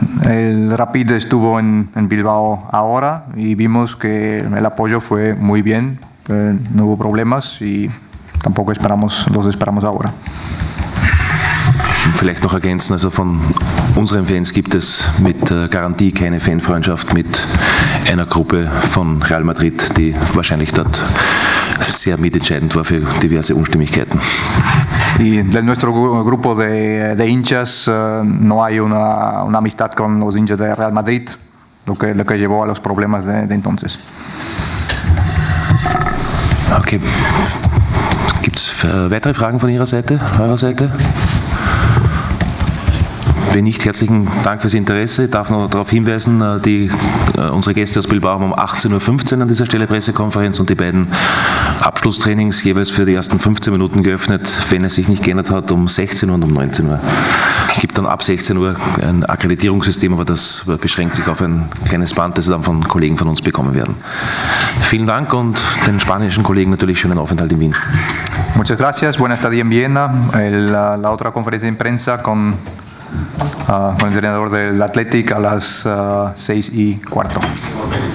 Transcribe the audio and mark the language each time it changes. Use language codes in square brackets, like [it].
[es] El Rapid estuvo en Bilbao ahora y vimos que el apoyo fue muy bien, no hubo problemas y tampoco los esperamos ahora. [de] Vielleicht noch ergänzen, also von unseren Fans gibt es mit Garantie keine Fanfreundschaft mit einer Gruppe von Real Madrid, die wahrscheinlich dort sehr mitentscheidend war für diverse Unstimmigkeiten. [es] Y de nuestro grupo de hinchas no hay una amistad con los hinchas de Real Madrid, lo que llevó a los problemas de entonces. Okay. [de] Gibt es weitere Fragen von Ihrer Seite, eurer Seite? Wenn nicht, herzlichen Dank fürs Interesse. Ich darf noch darauf hinweisen, unsere Gäste aus Bilbao haben um 18.15 Uhr an dieser Stelle Pressekonferenz und die beiden Abschlusstrainings jeweils für die ersten 15 Minuten geöffnet. Wenn es sich nicht geändert hat, um 16 Uhr und um 19 Uhr. Es gibt dann ab 16 Uhr ein Akkreditierungssystem, aber das beschränkt sich auf ein kleines Band, das Sie dann von Kollegen von uns bekommen werden. Vielen Dank und den spanischen Kollegen natürlich schönen Aufenthalt in Wien. [es] Muchas gracias, buena estadía en Viena. La otra conferencia en prensa con con el entrenador del Athletic a las 6:15.